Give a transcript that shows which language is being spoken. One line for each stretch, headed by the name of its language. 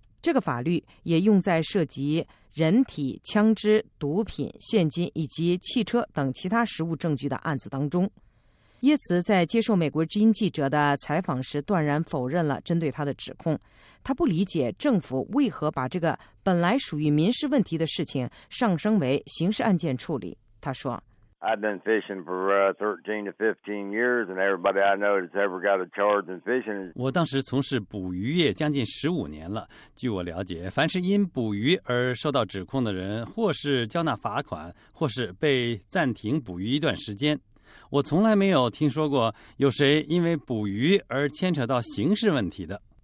Chinese: 这个法律也用在涉及人体、枪支、毒品、现金以及汽车等其他实物证据的案子当中。耶茨在接受美国之音记者的采访时断然否认了针对他的指控。他不理解政府为何把这个本来属于民事问题的事情上升为刑事案件处理。他说，
English: I've been fishing for 13 to 15 years, and everybody I know that's ever got a charge in fishing.
Chinese: 我当时从事捕鱼业将近15年了。据我了解，凡是因捕鱼而受到指控的人，或是交纳罚款，或是被暂停捕鱼一段时间。我从来没有听说过有谁因为捕鱼而牵扯到刑事问题的。